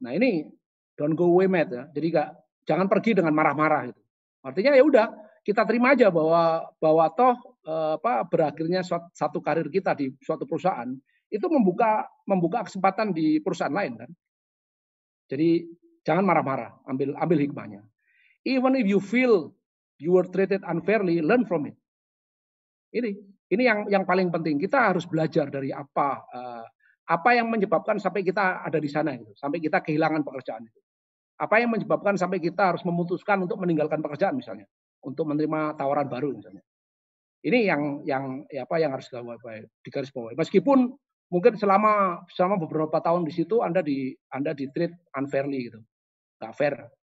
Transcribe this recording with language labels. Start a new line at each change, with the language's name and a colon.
Indonesian: Nah ini,
English: don't go away mad. Ya.
Indonesian: Jadi jangan pergi dengan marah-marah. Gitu. Artinya ya udah kita terima aja bahwa toh berakhirnya satu karir kita di suatu perusahaan, itu membuka kesempatan di perusahaan lain. Kan? Jadi jangan marah-marah, ambil hikmahnya.
English: Even if you feel you were treated unfairly, learn from it.
Indonesian: Ini yang paling penting. Kita harus belajar dari apa yang menyebabkan sampai kita ada di sana itu, sampai kita kehilangan pekerjaan itu. Apa yang menyebabkan sampai kita harus memutuskan untuk meninggalkan pekerjaan misalnya, untuk menerima tawaran baru misalnya. Ini yang harus digarisbawahi. Meskipun mungkin selama beberapa tahun di situ Anda di
English: treat unfairly
Indonesian: gitu, nggak fair.